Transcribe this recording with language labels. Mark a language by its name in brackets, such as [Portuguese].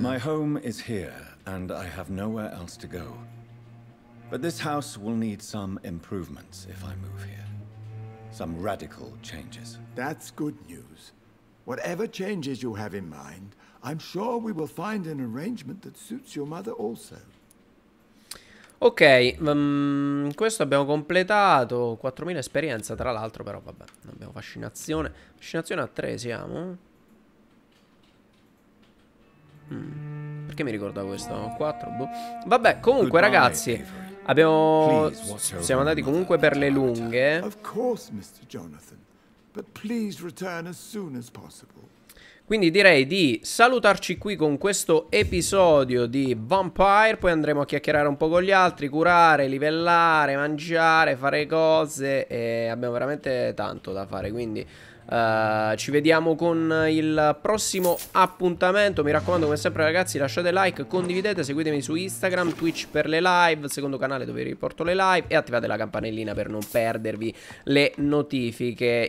[English] My home is here, and I have nowhere else to go. But this house will need some improvements if I move here. Some radical changes. That's good news. Whatever changes you have in mind, I'm sure we will find an arrangement that suits your mother also. [Italian] Ok, questo abbiamo completato. 4000 esperienza, tra l'altro, però vabbè, non abbiamo fascinazione. Fascinazione a 3 siamo. Perché mi ricordo questo? 4, boh. Vabbè, comunque, goodbye, ragazzi, Avery. Abbiamo... Please, siamo andati comunque per le lunghe. [English] Of course, Mr. Jonathan, but please return as soon as possible. [Italian] Quindi direi di salutarci qui con questo episodio di Vampire. Poi andremo a chiacchierare un po' con gli altri, curare, livellare, mangiare, fare cose. E abbiamo veramente tanto da fare, quindi ci vediamo con il prossimo appuntamento. Mi raccomando, come sempre, ragazzi, lasciate like, condividete, seguitemi su Instagram, Twitch per le live, secondo canale dove riporto le live, e attivate la campanellina per non perdervi le notifiche.